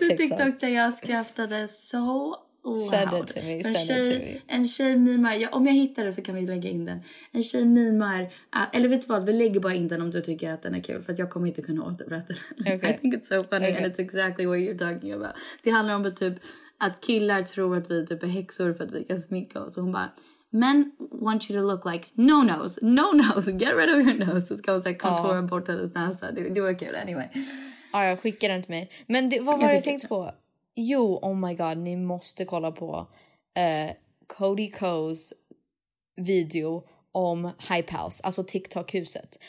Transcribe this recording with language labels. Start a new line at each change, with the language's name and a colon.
Swedish: Du vet TikTok där jag skraftade så...
English: Send it to me.
Swedish: Om jag hittar det så kan vi lägga in den. En tjej mimar, eller vet du vad, vi lägger bara in den om du tycker att den är kul. För att jag kommer inte kunna återberätta den.
English: Okay. I think it's so funny and it's exactly what you're talking about.
Swedish: Det handlar om typ att killar tror att vi typ är häxor för att vi kan sminka oss. Och hon bara, men
English: want you to look like no nose, no nose, get rid of your nose.
Swedish: Så ska hon säga kontor bort hennes näsa. Det var kul anyway. Ja, skicka den till mig. Men vad var det du tänkt på? Jo,
English: oh my god,
Swedish: ni måste kolla på Cody Coes video om Hype House, alltså TikTok-huset.